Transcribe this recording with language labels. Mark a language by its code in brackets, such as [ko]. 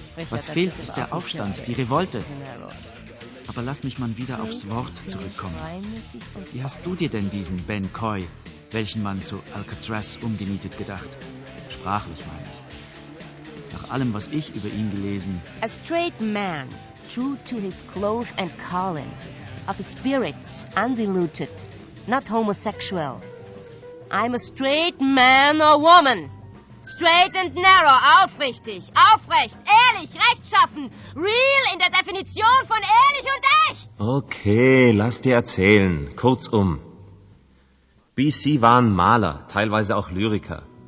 [de] Was fehlt, ist der Aufstand, die Revolte. Aber lass mich mal wieder aufs Wort zurückkommen. Wie hast du dir denn diesen Ben Coy, welchen man zu Alcatraz umgenietet, gedacht? Sprachlich meine ich. Nach allem, was ich über ihn gelesen... [en] A straight man, true to his cloth and calling. Of his spirits, undiluted, not homosexual. I'm a straight man or woman. Straight and narrow, [de] aufrichtig, aufrecht, ehrlich, rechtschaffen, real in der Definition von ehrlich und echt. Okay, lass dir erzählen. Kurzum. BC war ein Maler, teilweise auch Lyriker.